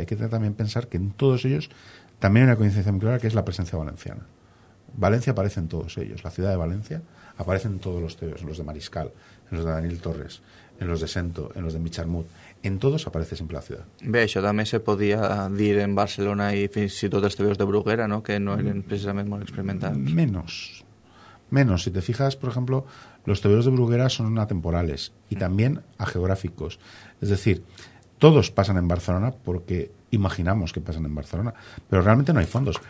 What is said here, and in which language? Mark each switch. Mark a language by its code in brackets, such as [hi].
[es] Hay que también pensar que en todos ellos también hay una coincidencia muy clara, que es la presencia valenciana. Valencia aparece en todos ellos, la ciudad de Valencia aparece en todos los teos, en los de Mariscal, en los de Daniel Torres, en los de Sento, en los de Mitch Armut, en todos aparece siempre la ciudad. [ca] Bé, això també se podia dir en Barcelona i fins i tot els teos de Bruguera, ¿no? Que no eren precisament molt experimentats. [es] Menos, si te fijas, por ejemplo, los tebeos de Bruguera son atemporales y también ageográficos. Es decir, todos pasan en Barcelona porque imaginamos que pasan en Barcelona, pero realmente no hay fondos.